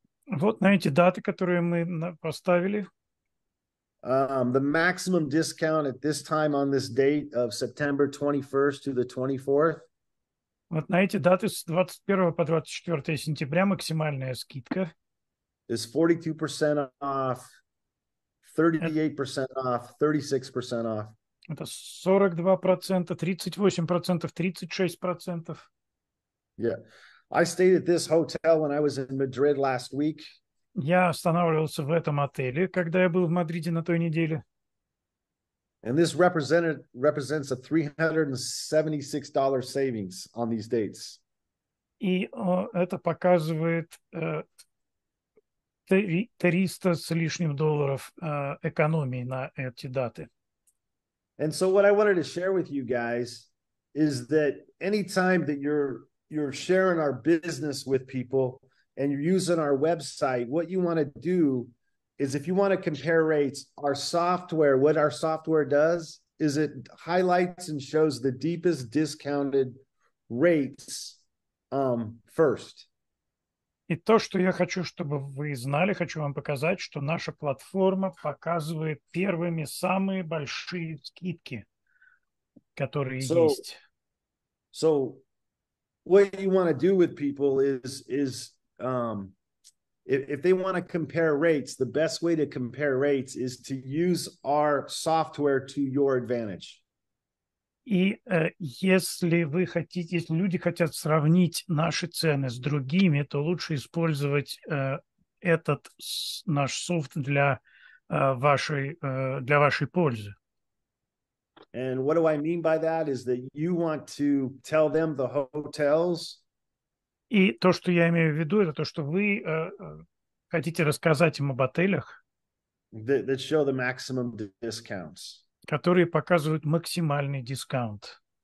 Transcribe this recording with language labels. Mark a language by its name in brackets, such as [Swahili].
[Russian] Вот на эти даты, которые мы поставили. [English] The maximum discount at this time on this date of September 21st to the 24th. [Russian] Вот на эти даты с 21 по 24 сентября максимальная скидка. [English] Is 42% off, 38% off, 36% off. [Russian] Это 42%, 38%, 36%. [English] Yeah. I stayed at this hotel when I was in Madrid last week. [Russian] Я останавливался в этом отеле, когда я был в Мадриде на той неделе. [English] And this represents a $376 savings on these dates. [Russian] И это показывает $300 с лишним долларов экономии на эти даты. [English] And so what I wanted to share with you guys is that anytime that you're sharing our business with people and you're using our website, what you want to do is if you want to compare rates, our software, what our software does is it highlights and shows the deepest discounted rates first. [Russian] И то, что я хочу, чтобы вы знали, хочу вам показать, что наша платформа показывает первыми самые большие скидки, которые есть. [English] So what you want to do with people is if they want to compare rates, the best way to compare rates is to use our software to your advantage. [Russian] И если вы хотите, если люди хотят сравнить наши цены с другими, то лучше использовать этот наш софт для вашей пользы. [English] And what do I mean by that is that you want to tell them the hotels. [Russian] И то, что я имею в виду, это то, что вы хотите рассказать им об отелях, [English] that show the maximum discounts. [Russian] Которые показывают максимальный дискаунт.